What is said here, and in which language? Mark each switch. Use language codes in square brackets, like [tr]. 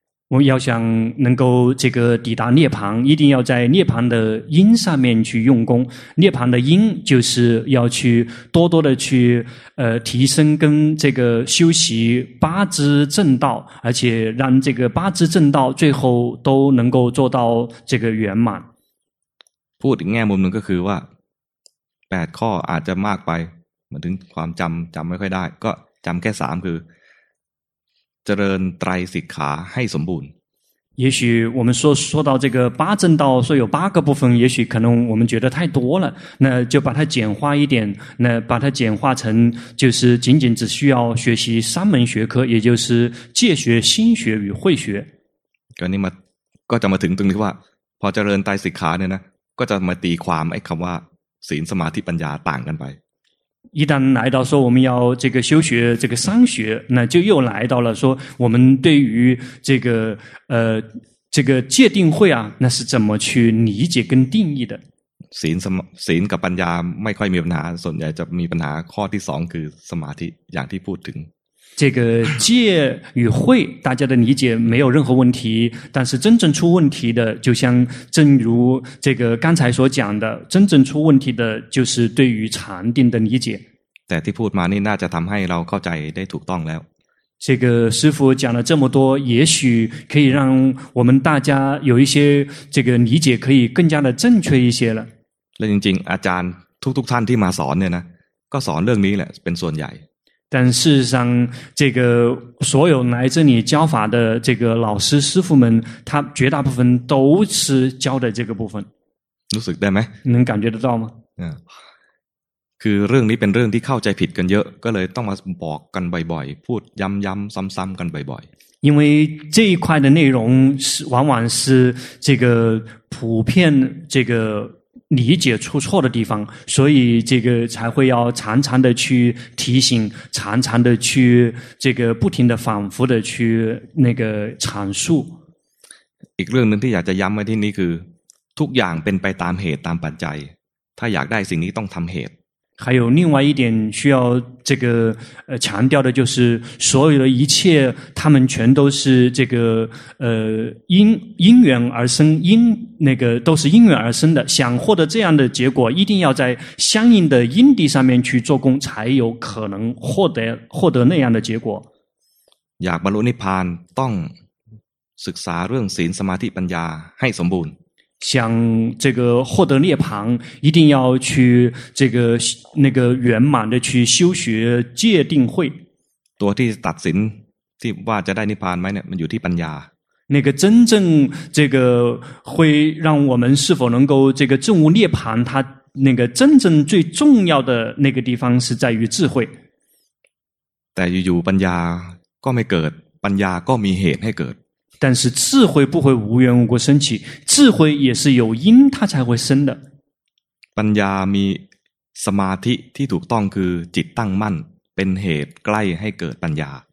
[zh] 我要想能够这个抵达涅槃，一定要在涅槃的因上面去用功。涅槃的因就是要去多多的去提升跟这个修习八支正道，而且让这个八支正道最后都能够做到这个圆满。 [th] พูดง่ายมุมหนึ่งก็คือว่า8ข้ออาจจะมากไปเหมือนถึงความจำไม่ค่อยได้ก็จำแค่3คือเจริญไตรสิกขาให้สมบูรณ์ [zh] 也许我们说到这个八正道说有八个部分也许可能我们觉得太多了那就把它简化一点那把它简化成就是仅仅只需要学习三门学科也就是戒学心学与慧学 [th] ก็นี่มาก็จะมาถึงตรงนี้ว่าพอเจริญไตรสิกขาเนี่ยนะก็จะมาตีความไอ้คำว่าศีลสมาธิปัญญาต่างกันไป [zh] 一旦来到说我们要这个修学这个三学那就又来到了说我们对于这个这个戒定慧啊那是怎么去理解跟定义的 [th] ศีลกับปัญญาไม่ค่อยมีปัญหาส่วนใหญ่จะมีปัญหาข้อที่2คือสมาธิอย่างที่พูดถึง [zh] 这个戒与慧大家的理解没有任何问题，但是真正出问题的，就像正如这个刚才所讲的，真正出问题的就是对于禅定的理解。 [th] แต่ที่พูดมานี่น่าจะทำให้เราเข้าใจได้ถูกต้องแล้ว。 [zh] 这个师父讲了这么多，也许可以让我们大家有一些这个理解可以更加的正确一些了。 [th] จริงๆอาจารย์ทุกๆท่านที่มาสอนเนี่ยนะก็สอนเรื่องนี้แหละเป็นส่วนใหญ่ [zh] 但事实上这个所有来这里教法的这个老师师父们他绝大部分都是教的这个部分。 [th] รู้สึกได้ไหม [zh] 能感觉得到吗 [th] คือเรื่องนี้เป็นเรื่องที่เข้าใจผิดกันเยอะก็เลยต้องมาบอกกันบ่อยๆพูดย้ำๆซ้ำๆกันบ่อย [zh] ๆ因为这一块的内容是往往是这个普遍这个理解出错的地方，所以这个才会要常常的去提醒，常常的去这个不停的反复的去那个阐述。 [th] อีกเรื่องนึงที่อยากจะย้ำไว้ที่นี้คือทุกอย่างเป็นไปตามเหตุตามปัจจัยถ้าอยากได้สิ่งนี้ต้องทำเหตุ [zh] 还有另外一点需要这个强调的就是所有的一切他们全都是这个因缘而生因那个都是因缘而生的想获得这样的结果一定要在相应的因地上面去做工才有可能获得那样的结果 [th] อยากบรรลุนิพพานต้องศึกษาเรื่องศีลสมาธิปัญญาให้สมบูรณ์ [zh] 想这个获得涅槃，一定要去这个那个圆满的去修学戒定慧。 [th] ตัวที่ตัดสินที่ว่าจะได้นิพพานไหมเนี่ยมันอยู่ที่ปัญญา。 [zh] 那个真正这个会让我们是否能够这个证悟涅槃，它那个真正最重要的那个地方是在于智慧。 [th] แต่อยู่ปัญญาก็ไม่เกิดปัญญาก็มีเหตุให้เกิด [zh] 但是智慧不会无缘无故升起，智慧也是有因它才会生的。 [th] ปัญญามีสมาธิที่ถูกต้องคือจิตตั้งมั่นเป็นเหตุใกล้ให้เกิดปัญญา。